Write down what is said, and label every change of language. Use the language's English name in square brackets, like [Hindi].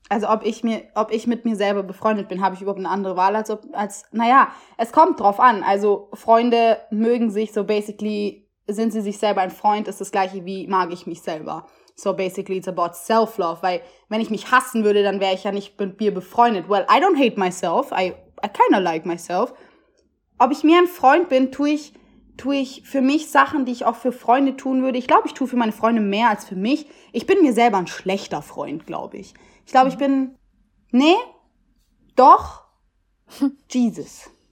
[German] Also ob ich mit mir selber befreundet bin, habe ich überhaupt eine andere Wahl als ob, als, naja, es kommt drauf an. Also Freunde mögen sich so basically, sind sie sich selber ein Freund, ist das gleiche wie mag ich mich selber. [English] So basically it's about self-love, [German] weil wenn ich mich hassen würde, dann wäre ich ja nicht mit mir befreundet. [English] Well, I don't hate myself, I kinda like myself. [German] Ob ich mir ein Freund bin, tue ich für mich Sachen, die ich auch für Freunde tun würde. Ich glaube, ich tue für meine Freunde mehr als für mich. Ich bin mir selber ein schlechter Freund, glaube ich. Ich glaube, ich bin... Nee? Doch? Jesus.